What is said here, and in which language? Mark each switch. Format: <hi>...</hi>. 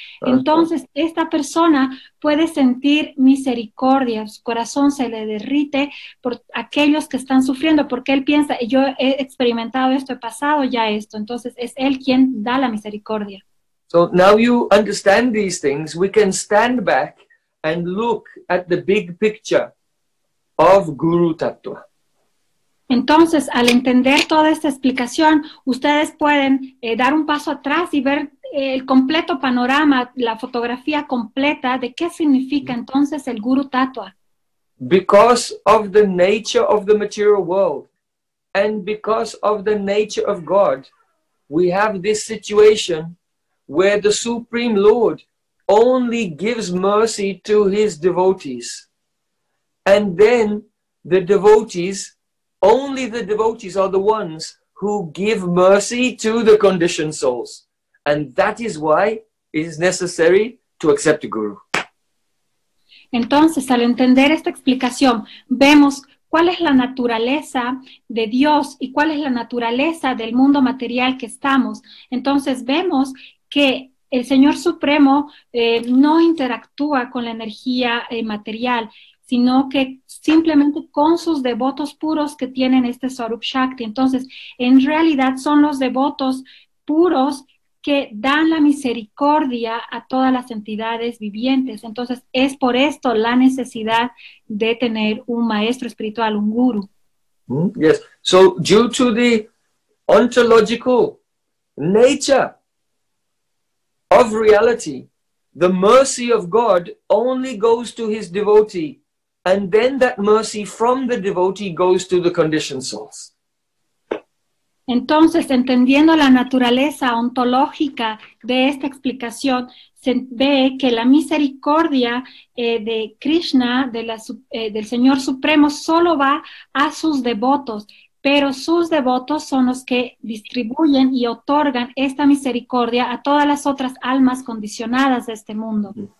<es>entonces esta persona puede sentir misericordia, su corazón se le derrite por aquellos que están sufriendo, porque él piensa, yo he experimentado esto, he pasado ya esto, entonces es él quien da la misericordia.</es> <en>So now you understand these things, we can stand back and look at the big picture of Guru Tattva.</en> <es>Entonces, al entender toda esta explicación, ustedes pueden dar un paso atrás y ver el completo panorama, la fotografía completa de qué significa entonces el Guru Tattva.</es> <en>because of the nature of the material world and because of the nature of God, we have this situation where the Supreme Lord only gives mercy to his devotees. And then the devotees, only the devotees are the ones who give mercy to the conditioned souls. And that is why it is necessary to accept a guru.</en> <es>Entonces, al entender esta explicación, vemos cuál es la naturaleza de Dios y cuál es la naturaleza del mundo material que estamos. Entonces, vemos que el Señor Supremo no interactúa con la energía material, sino que simplemente con sus devotos puros que tienen este Swarup Shakti. Entonces, en realidad son los devotos puros que dan la misericordia a todas las entidades vivientes. Entonces, es por esto la necesidad de tener un maestro espiritual, un guru.</es> <en>Yes. So, due to the ontological nature of reality, the mercy of God only goes to his devotee, and then that mercy from the devotee goes to the conditioned souls.</en> <es>Entonces, entendiendo la naturaleza ontológica de esta explicación, se ve que la misericordia de Krishna, del Señor Supremo, solo va a sus devotos, pero sus devotos son los que distribuyen y otorgan esta misericordia a todas las otras almas condicionadas de este mundo.</es>